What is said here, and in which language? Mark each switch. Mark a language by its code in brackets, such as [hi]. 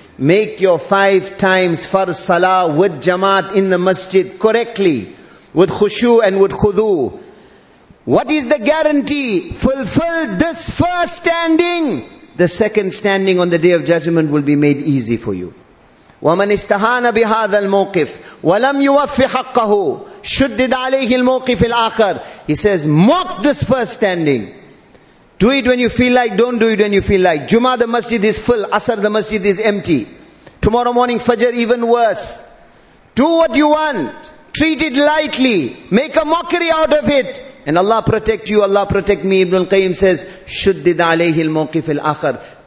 [en] Make your 5 times farz salah with jamaat in the masjid correctly, with khushu and with khudu. What is the guarantee? Fulfill this first standing. The second standing on the day of judgment will be made easy for you. [ar] ومن استهان بهذا الموقف ولم يوفي حقه شدد عليه الموقف الآخر. [en] He says, mock this first standing. Do it when you feel like, don't do it when you feel like. Juma, the masjid is full. Asr, the masjid is empty. Tomorrow morning, Fajr, even worse. Do what you want. Treat it lightly. Make a mockery out of it. And Allah protect you, Allah protect me. Ibn al-Qayyim says, [ar] شُدِّدْ عَلَيْهِ الْمَوْقِفِ الْآخَرِ.